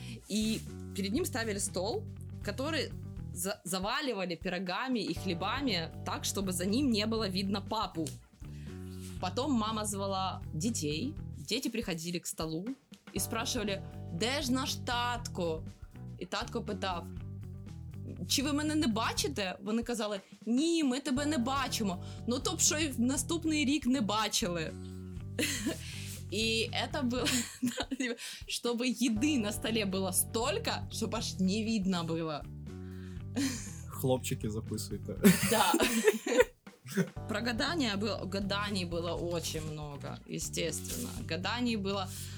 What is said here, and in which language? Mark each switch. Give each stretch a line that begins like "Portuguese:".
Russian: И перед ним ставили стол, который заваливали пирогами и хлебами так, чтобы за ним не было видно папу. Потом мама звала детей. Дети приходили к столу и спрашивали, где ж наш татко?
Ukrainian: И татко питав, чи ви мене не бачите? Вони казали, ні, ми тебе не бачимо. Ну, то б що й в наступний рік не бачили.
Russian: И это было, чтобы еды на столе было столько, чтоб аж не видно было.
Ukrainian: Хлопчики
Russian: записывайте. Да. Про гадания было, гаданий было очень много, естественно. Гаданий было...